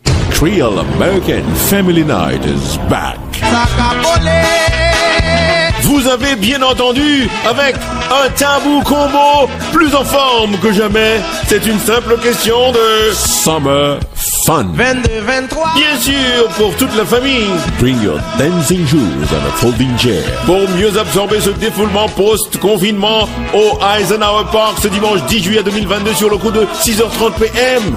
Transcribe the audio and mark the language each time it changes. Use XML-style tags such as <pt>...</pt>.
<en>Creole American Family Night is back. Sacabolé.</en> <fr>Vous avez bien entendu, avec un tabou combo plus en forme que jamais, c'est une simple question de Summer Fun. 22, 23. Bien sûr, pour toute la famille.</fr> <en>Bring your dancing shoes and a folding chair.</en> <fr>Pour mieux absorber ce défoulement post-confinement au Eisenhower Park ce dimanche 10 juillet 2022 sur le coup de 6h30 p.m.</fr>